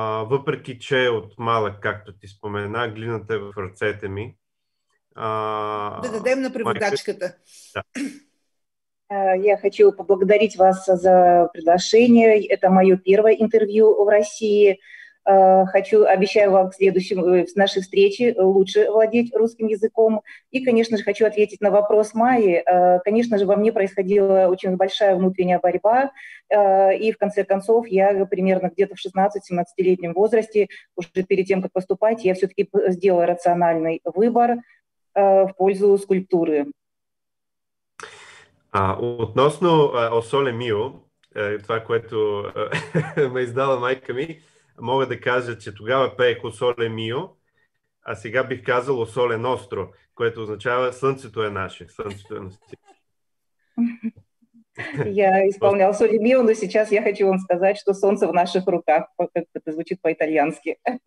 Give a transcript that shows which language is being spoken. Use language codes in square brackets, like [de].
[bg] Въпреки че от малък, както ти спомена, глината е в ръцете ми. Да дадем на преводачката. [ru] Я хочу поблагодарить вас за приглашение. Это мое первое интервью в России. Обещаю вам в нашей встрече лучше владеть русским языком. И, конечно же, хочу ответить на вопрос Майи. Конечно же, во мне происходила очень большая внутренняя борьба. И, в конце концов, я примерно где-то в 16-17-летнем возрасте, уже перед тем, как поступать, я все-таки сделала рациональный выбор в пользу скульптуры. [bg] Относно «О, соле мио», това, което ме издала майка ми, мога да кажа, че тогава пеех «О, соле мио», а сега бих казал «О, соле ностро», което означава «Слънцето е наше». Слънцето е наше. [ru] Я изпълнял «Соле мио», но сейчас я хочу вам сказать, что «Солнце в наших руках», как это звучит по-итальянски.